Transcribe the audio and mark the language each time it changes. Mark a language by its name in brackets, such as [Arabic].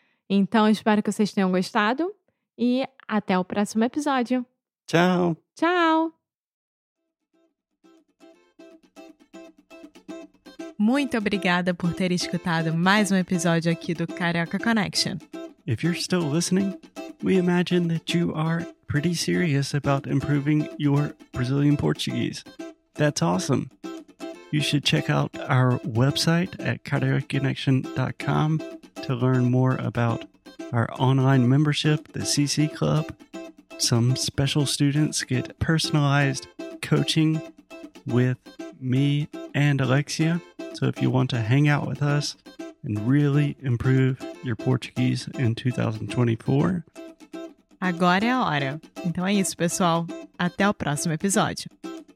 [Portuguese] Então, espero que vocês tenham gostado. E até o próximo episódio. Tchau. Tchau. Muito obrigada por ter escutado mais um episódio aqui do Carioca Connection. [English] If you're still listening, we imagine that you are pretty serious about improving your Brazilian Portuguese. That's awesome. You should check out our website at cariocaconnection.com to learn more about our online membership, the CC Club. Some special students get personalized coaching with me and Alexia. So if you want to hang out with us and really improve your Portuguese in 2024. [Portuguese] Agora é a hora. Então é isso, pessoal. Até o próximo episódio.